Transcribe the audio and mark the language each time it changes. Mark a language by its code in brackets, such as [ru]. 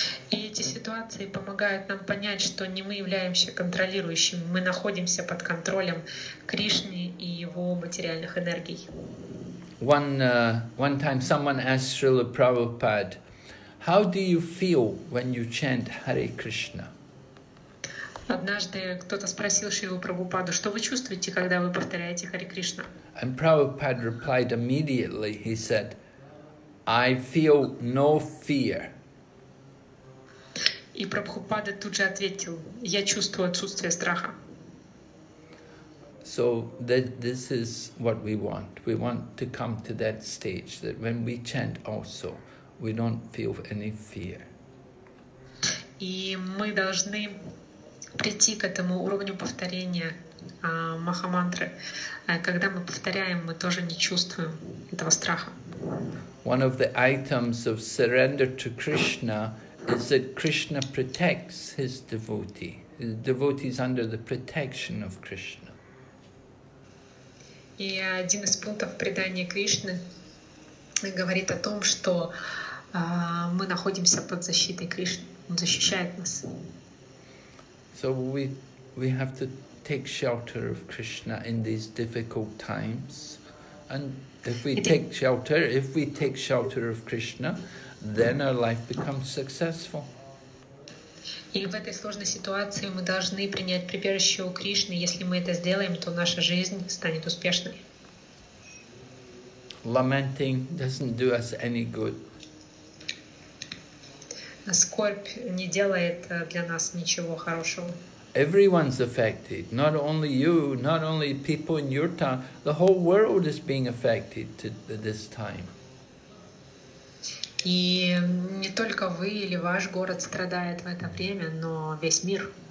[ru] И эти ситуации помогают нам понять, что не мы являемся контролирующими, мы находимся под контролем Кришны и его материальных энергий. [en] One time someone asked Srila Prabhupada, how do you feel when you chant Hare Krishna? [ru] Однажды кто-то спросил Шриву Прабхупаду, что вы чувствуете, когда вы повторяете Харе Кришна? [en] And Prabhupada replied immediately, he said, I feel no fear. [ru] И Прабхупада тут же ответил, я чувствую отсутствие страха. [en] So this is what we want. We want to come to that stage, that when we chant also, we don't feel any fear. [ru] И мы должны прийти к этому уровню повторения Махамантры. Когда мы повторяем, мы тоже не чувствуем этого страха. [en] One of the items of surrender to Krishna is that Krishna protects his devotee. His devotee is under the protection of Krishna. [ru] И один из пунктов предания Кришны говорит о том, что мы находимся под защитой Кришны. Он защищает нас. [en] So we have to take shelter of Krishna in these difficult times. And if we take shelter of Krishna, then our life becomes successful. [ru] И в этой сложной ситуации мы должны принять прибежище у Кришны. Если мы это сделаем, то наша жизнь станет успешной. [en] Lamenting doesn't do us any good. [ru] Скорбь не делает для нас ничего хорошего. [en] Everyone's affected, not only you, not only people in your town, the whole world is being affected at this time. [ru] И не только вы или ваш город страдает в это время, но весь мир.